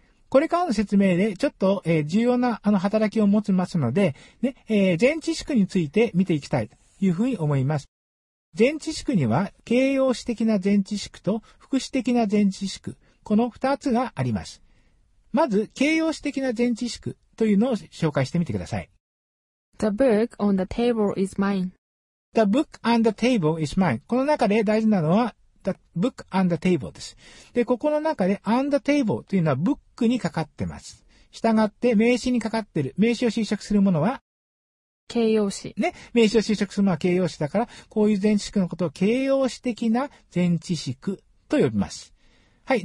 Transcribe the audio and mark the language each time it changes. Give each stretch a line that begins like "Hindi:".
Japanese: これからの説明でちょっと、重要な働きを持ちますので、ね、前置詞について見ていきたいというふうに思います。前置詞には形容詞的な前置詞と副詞的な前置詞、この二つがあります。まず、形容詞的な前置詞というのを紹介してみてください。
English: The book on the table is mine. The book on the table is mine.
Japanese: この中で大事なのは、
English: The book on the table
Japanese: です。で、ここの中で
English: on the table
Japanese: というのは book にかかってます。したがって、名詞にかかってる。名詞を修飾するものは形容詞。ね。名詞を修飾するものは形容詞だから、こういう前置詞のことを形容詞的な前置詞と呼びます。はい。